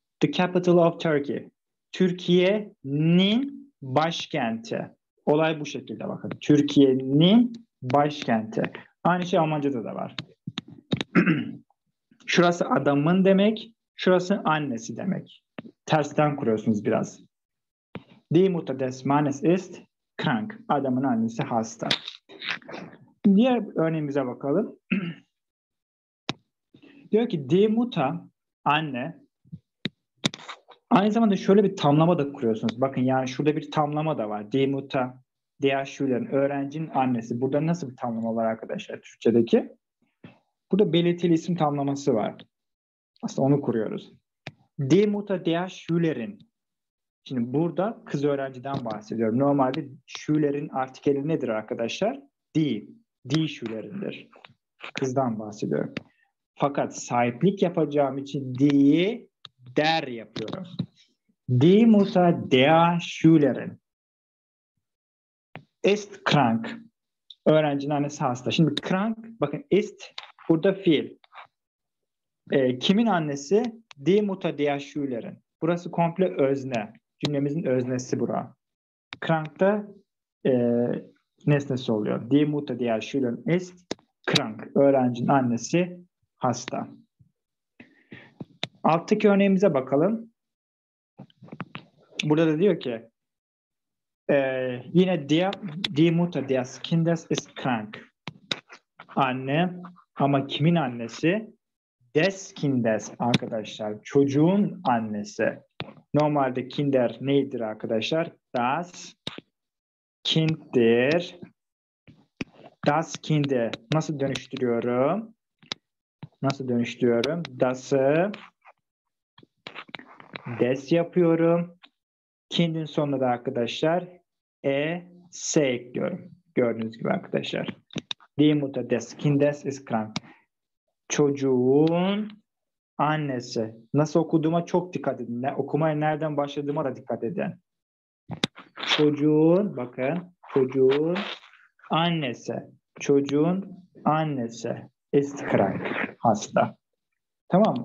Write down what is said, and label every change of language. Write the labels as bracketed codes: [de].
[en] The capital of Turkey. [tr] Türkiye'nin başkenti. Olay bu şekilde bakın. Türkiye'nin başkenti. Aynı şey Almanca'da da var. Şurası adamın demek, şurası annesi demek. Tersten kuruyorsunuz biraz. [de] Die Mutter des Mannes ist krank. [tr] Adamın annesi hasta. Diğer örneğimize bakalım. Diyor ki die Mutter, anne. Aynı zamanda şöyle bir tamlama da kuruyorsunuz. Bakın yani şurada bir tamlama da var. Die Mutter, diğer Schülerin, öğrencinin annesi. Burada nasıl bir tamlama var arkadaşlar Türkçedeki? Burada belirtili isim tamlaması var. Aslında onu kuruyoruz. [de] Die Mutter der Schülerin. [tr] Şimdi burada kız öğrenciden bahsediyorum. Normalde Schülerin artikeli nedir arkadaşlar? Die. Die Schülerindir. Kızdan bahsediyorum. Fakat sahiplik yapacağım için die'yi der yapıyorum. [de] Die Mutter der Schülerin. Ist krank. [tr] Öğrencinin annesi hasta. Şimdi krank, bakın ist burada fiil. Kimin annesi? [de] Die Mutter der Schülerin. [tr] Burası komple özne. Cümlemizin öznesi bura. Krank da nesnesi oluyor. [de] Die Mutter der Schülerin ist krank. [tr] Öğrencinin annesi hasta. Alttaki örneğimize bakalım. Burada da diyor ki yine [de] die Mutter des Kindes ist krank. [tr] Anne, ama kimin annesi? Des Kindes arkadaşlar. Çocuğun annesi. Normalde Kinder neydir arkadaşlar? Das Kind'dir. Das Kind'i nasıl dönüştürüyorum? Nasıl dönüştürüyorum? Das'ı des yapıyorum. Kind'in sonunda da arkadaşlar es ekliyorum. Gördüğünüz gibi arkadaşlar. [de] Die Mutter des Kindes ist krank. [tr] Çocuğun annesi. Nasıl okuduğuma çok dikkat edin. Okumaya nereden başladığıma da dikkat edin. Çocuğun, bakın. Çocuğun annesi. Çocuğun annesi. [de] Ist krank. [tr] Hasta. Tamam mı?